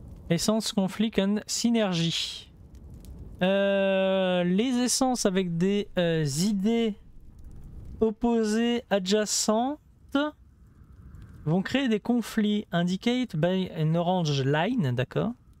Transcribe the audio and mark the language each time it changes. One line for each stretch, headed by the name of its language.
English: Essence, conflict and synergy.
French: Les essences avec des idées opposées adjacentes vont créer des conflits.
English: Indicate by an orange line, d'accord.